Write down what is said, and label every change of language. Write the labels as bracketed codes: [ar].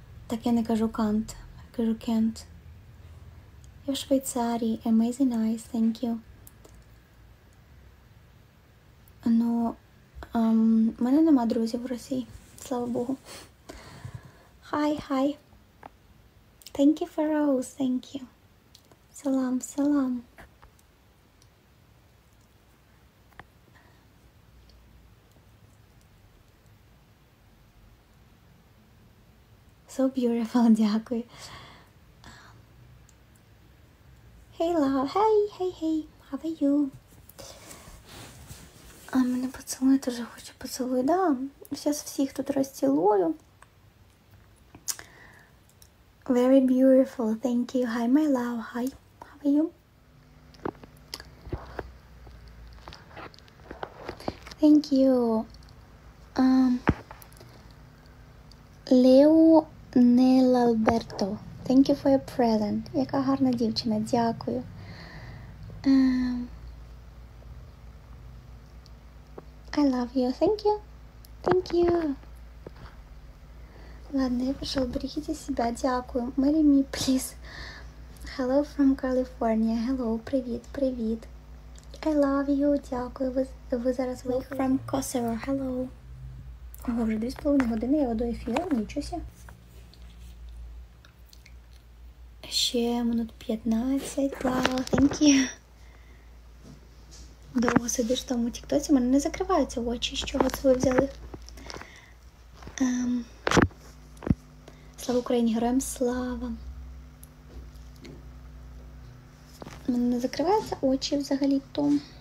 [uk] Так я не кажу can't, я кажу can't. Я в Швейцарії, [en] amazing eyes, thank you. [uk] Ну, у мене нема друзів в Росії, слава Богу. [en] Hi, hi. Thank you for rose, thank you. Salam, salam. So beautiful, [uk] дякую. [en] Hey, love, hey, hey, hey, how are you? [uk] А мене поцілуй, теж хочу поцілуй, да? Зараз всіх тут розцілую. [en] Very beautiful, thank you. Hi, my love, hi, how are you? Thank you. Leo Nelalberto, thank you for your present. [uk] Яка гарна дівчина, дякую. [en] I love you, thank you, thank you. [ru] Ладно, я пошел, берегите себя, [uk] дякую. [en] Marry me, please. Hello from California, hello, [ru] привет, привет. [en] I love you, [uk] дякую, ви зараз ви [en] from Kosovo, hello. [uk] Ого, вже 2.5 години, я веду ефір, нічого себе. Ще минут 15, [en] wow, thank you. [uk] Довго сидиш в тому тіктоці, в мене не закриваються очі, з чого це ви взяли? Слава Україні, героям слава! У мене не закриваються очі взагалі-то.